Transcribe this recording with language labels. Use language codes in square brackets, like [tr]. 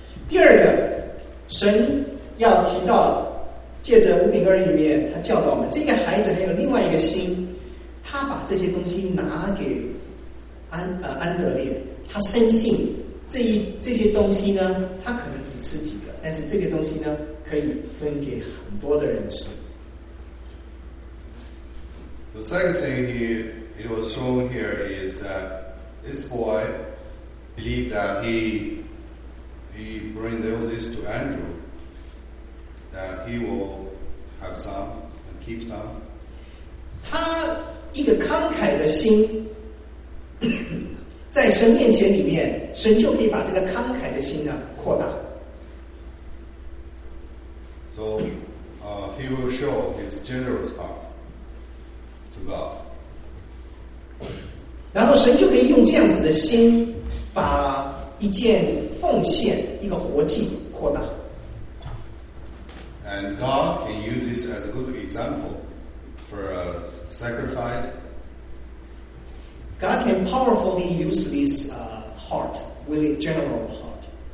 [zh] 第二个，神要提到借着五饼二里面，他教导我们这个孩子还有另外一个心，他把这些东西拿给安德烈，他深信这些东西呢，他可能只吃几个，但是这个东西呢可以分给很多的人吃。 [en] The second thing it was shown here is that this boy believed that he bring all this to Andrew, that he will have some and keep some. [zh] 他一个慷慨的心在神面前里面，神就可以把这个慷慨的心呢扩大。 [en] So, he will show his generous heart to God. [zh] 然后神就可以用这样子的心把一件奉献，一个活祭扩大。 [en] And God can use this as a good example for a sacrifice. God can powerfully use this heart, really general heart.